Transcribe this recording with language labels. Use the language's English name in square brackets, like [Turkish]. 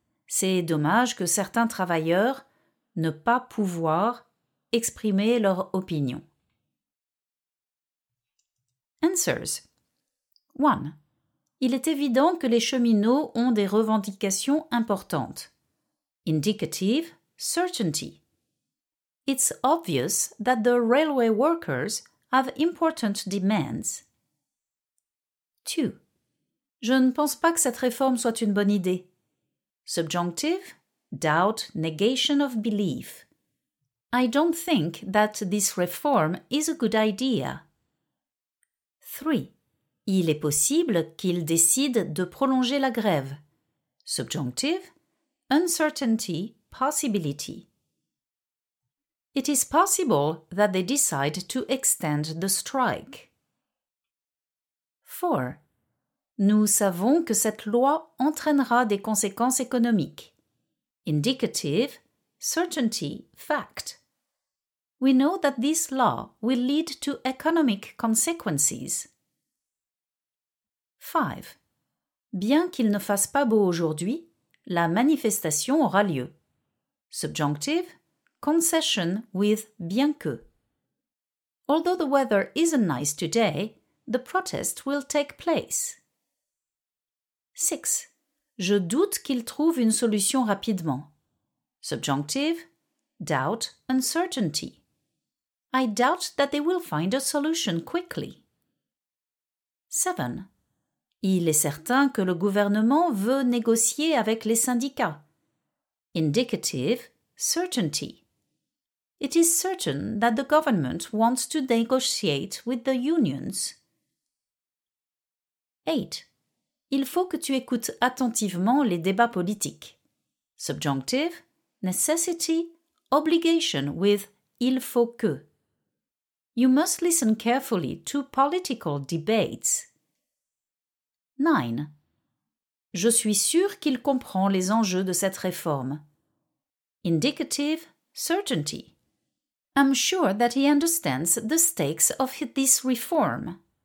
[French] C'est dommage que certains travailleurs ne pas pouvoir exprimer leur opinion. [English] Answers. [French] 1. Il est évident que les cheminots ont des revendications importantes. [English] Indicative, certainty. It's obvious that the railway workers have important demands. 2. [French] Je ne pense pas que cette réforme soit une bonne idée. [English] Subjunctive, doubt, negation of belief. I don't think that this reform is a good idea. 3. [French] Il est possible qu'ils décident de prolonger la grève. [English] Subjunctive, uncertainty, possibility. It is possible that they decide to extend the strike. 4. [French] Nous savons que cette loi entraînera des conséquences économiques. [English] Indicative, certainty, fact. We know that this law will lead to economic consequences. 5. [French] Bien qu'il ne fasse pas beau aujourd'hui, la manifestation aura lieu. [English] Subjunctive, concession with bien que. Although the weather isn't nice today, the protest will take place. 6. [French] Je doute qu'il trouve une solution rapidement. [English] Subjunctive, doubt, uncertainty. I doubt that they will find a solution quickly. 7. [French] Il est certain que le gouvernement veut négocier avec les syndicats. [English] Indicative, certainty. It is certain that the government wants to negotiate with the unions. 8. [French] Il faut que tu écoutes attentivement les débats politiques. [English] Subjunctive, necessity, obligation with il faut que. You must listen carefully to political debates. 9. [French] Je suis sûr qu'il comprend les enjeux de cette réforme. [English] Indicative, certainty. I'm sure that he understands the stakes of this reform.